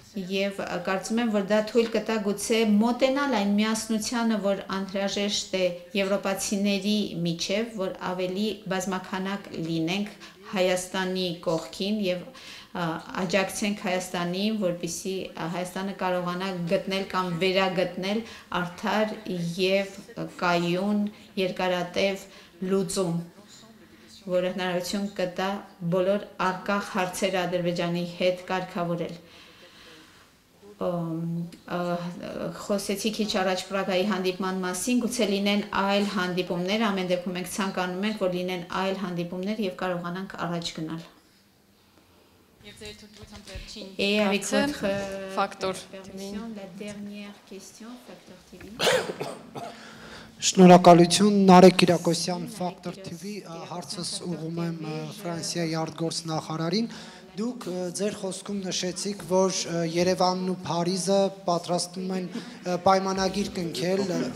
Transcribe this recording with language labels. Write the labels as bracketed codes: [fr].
[hy] և կարծում եմ, որ դա թույլ կտա գուցե մոտենալ այն միասնությանը, որ անհրաժեշտ է եվրոպացիների միջև, որ ավելի բազմաքանակ լինենք Հայաստանի կողքին և աջակցենք Հայաստանին, որպեսզի Հայաստանը կարողանա գտնել կամ վերագտնել արդար և կայուն երկարատև լուծում, որը հնարավորություն կտա բոլոր արկախ հարցերը Ադրբեջանի հետ կարգավորել։ Խոսեցի քիչ առաջ Պրագայի հանդիպման մասին, գուցե լինեն այլ հանդիպումներ, ամեն դեպքում ենք ցանկանում ենք, որ լինեն այլ հանդիպումներ և կարողանանք առաջ գնալ։ [fr] Et avec votre facteur permission, la dernière question, facteur TV. [hy] Շնորհակալություն Նարեկ Կիրակոսյան, Factor TV, հարցս ուղում եմ Ֆրանսիայի արտգործնախարարին։ Դուք ձեր խոսքում նշեցիք, որ Երևանն ու Փարիզը պատրաստում են պայմանագիր կնքել։